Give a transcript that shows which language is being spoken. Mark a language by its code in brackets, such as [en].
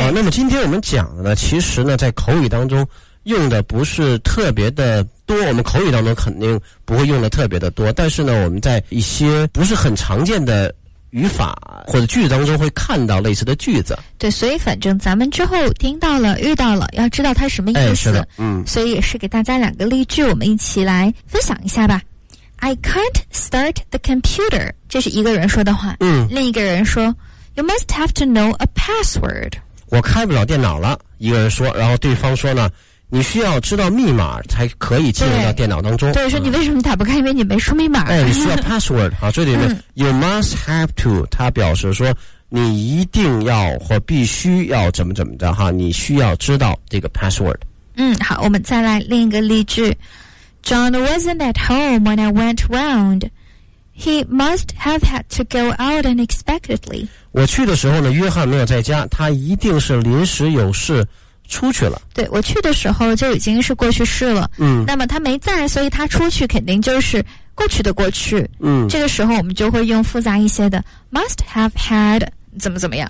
[zh] 啊，那么今天我们讲的其实呢在口语当中用的不是特别的多，我们口语当中肯定不会用的特别的多，但是呢我们在一些不是很常见的语法或者句子当中会看到类似的句子。对，所以反正咱们之后听到了遇到了要知道它什么意思、哎、是的。嗯，所以也是给大家两个例句我们一起来分享一下吧。 [en] I can't start the computer， [zh] 这是一个人说的话。嗯，另一个人说 [en] You must have to know a password， [zh] 我开不了电脑了，一个人说，然后对方说呢你需要知道密码才可以进入到电脑当中。对，说你为什么打不开，因为你没输密码。哎，你需要 password 啊，这里面、嗯、 [en] you must have to， [zh] 它表示说你一定要或必须要怎么怎么着哈，你需要知道这个 password。嗯，好，我们再来另一个例句。 [en] John wasn't at home when I went round. He must have had to go out unexpectedly. [zh] 我去的时候呢，约翰没有在家，他一定是临时有事出去了。对，我去的时候就已经是过去式了。嗯，那么他没在，所以他出去肯定就是过去的过去。嗯，这个时候我们就会用复杂一些的 must have had 怎么怎么样。